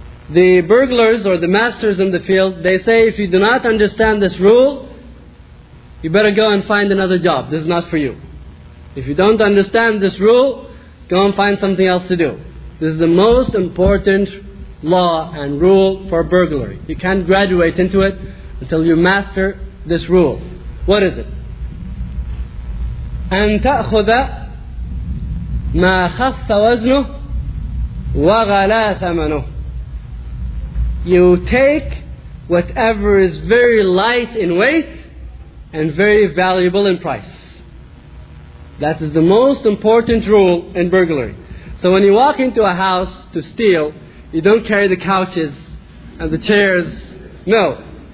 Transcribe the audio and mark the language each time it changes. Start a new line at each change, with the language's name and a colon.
English: The burglars or the masters in the field, they say, if you do not understand this rule, you better go and find another job. This is not for you. If you don't understand this rule, go and find something else to do. This is the most important law and rule for burglary. You can't graduate into it until you master this rule. What is it?
Arabic: أن تأخذ ما خف وزنه وغلا ثمنه.
English: You take whatever is very light in weight and very valuable in price. That is the most important rule in burglary. So when you walk into a house to steal, you don't carry the couches and the chairs. No.